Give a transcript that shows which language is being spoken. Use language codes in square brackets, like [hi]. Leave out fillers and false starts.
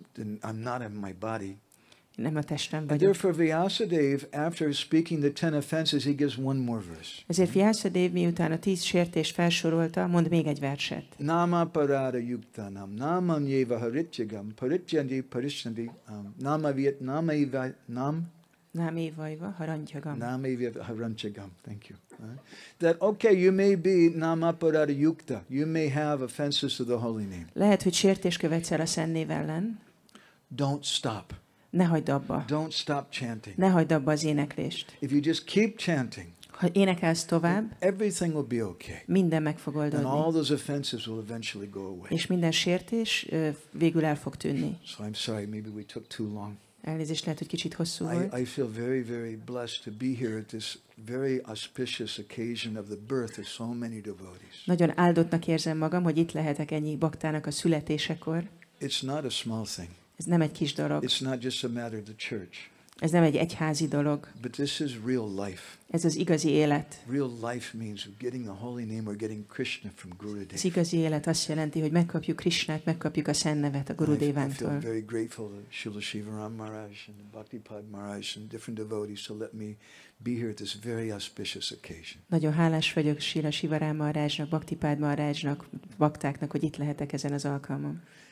[en] I'm not in my body. [hu] Nem a testem vagyok. [en] And therefore Vyasadeva, after speaking the 10 offenses, he gives one more verse. [hu] Ezért Vyasadeva, miután a 10 sértést felsorolta, mond még egy verset. [sa] Nama parara yuktanam, namam yeva harityagam, parityandi parishnandi, nama viet, nama eva, nam, Namivaharanchagam. [en] Thank you. That okay, you may be namaparada yukta. You may have offenses to the holy name. [hu] Lehet, hogy sértés követsz el a Szent Név ellen. [en] Don't stop. [hu] Ne hagyd abba. [en] Don't stop chanting. [hu] Ne hagyd abba az éneklést. [en] If you just keep chanting, [hu] ha énekelsz tovább, [en] everything will be okay. [hu] Minden meg fog oldódni. [en] And all those offenses will eventually go away. [hu] És minden sértés végül el fog tűnni. [en] So I'm sorry, maybe we took too long. [hu] Elnézést, lehet, hogy kicsit hosszú volt. [en] I feel very, very blessed to be here at this very auspicious occasion of the birth of so many devotees. [hu] Nagyon áldottnak érzem magam, hogy itt lehetek ennyi baktának a születésekor. [en] It's not a small thing. [hu] Ez nem egy kis dolog. [en] It's not just a matter of the church. [hu] Ez nem egy egyházi dolog. [en] But this is real life. [hu] Ez az igazi élet. [en] Real life means getting the holy name or getting Krishna from Gurudev. [hu] Az igazi élet azt jelenti, hogy megkapjuk Krishnát, megkapjuk a Szent Nevet a Gurudevántól. [en] I feel very grateful to Śrīla Śivarama Maharaj and Bhaktipad Maharaj and different devotees to let me be here at this very auspicious occasion. [hu] Nagyon hálás vagyok Śrīla Śivarama Maharajnak, Bhaktipad Maharajnak, baktáknak, hogy itt lehetek ezen az alkalmon.